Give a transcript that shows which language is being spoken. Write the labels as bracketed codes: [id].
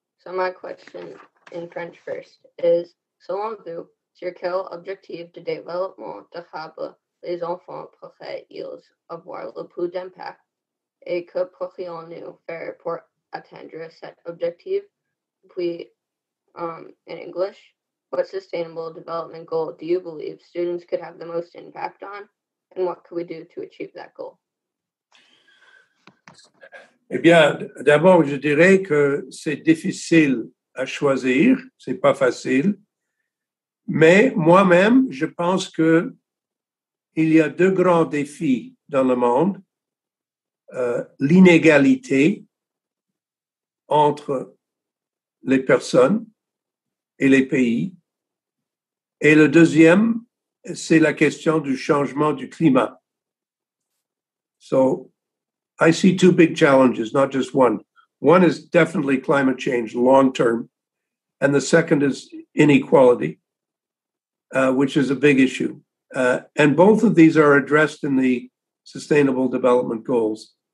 [en] So my question in French first is, [fr] selon vous, sur quel objectif de développement durable les enfants pourraient-ils avoir le plus d'impact? Et que pourrions-nous faire pour atteindre cet objectif? [en] Puis, in English, what sustainable development goal do you believe students could have the most impact on? And what could we do to achieve that goal? [fr] Eh bien, d'abord, je dirais que c'est difficile à choisir, c'est pas facile. Mais moi-même, je pense que il y a deux grands défis dans le monde. L'inégalité entre les personnes et les pays. Et le deuxième, c'est la question du changement du climat. [en] So, I see two big challenges, not just one. One is definitely climate change, long term. And the second is inequality, which is a big issue. And both of these are addressed in the Sustainable Development Goals.